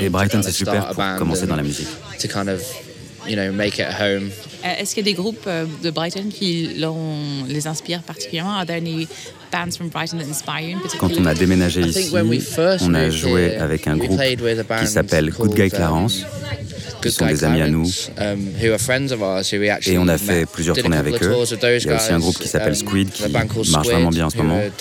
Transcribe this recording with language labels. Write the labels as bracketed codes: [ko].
[fr] Et Brighton, c'est super pour commencer dans la musique. [en] To kind of, you know, make it home. [fr] Est-ce qu'il y a des groupes de Brighton qui les inspirent particulièrement? [en] Are there any bands from Brighton that inspire you in particular? [fr] Quand on a déménagé ici, on a joué avec un groupe qui s'appelle Good Guy Clarence. qui sont des amis à nous. Et on a fait plusieurs tournées avec eux. Il y a aussi un groupe qui s'appelle Squid qui marche vraiment bien en ce moment.